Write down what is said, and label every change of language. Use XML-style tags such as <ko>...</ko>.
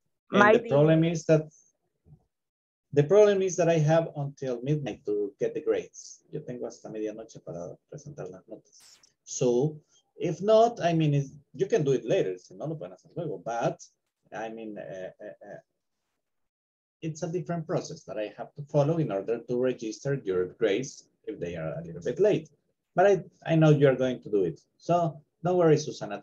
<en>the problem is that I have until midnight to get the grades.</en> <es>Yo tengo hasta medianoche para presentar las notas.</es> <en>So, if not, I mean, you can do it later.</en> <es>Si no, lo pueden hacer luego.</es> <en>But, I mean, it's a different process that I have to follow in order to register your grades if they are a little bit late. But I know you're going to do it. So, don't worry, Susana.</en>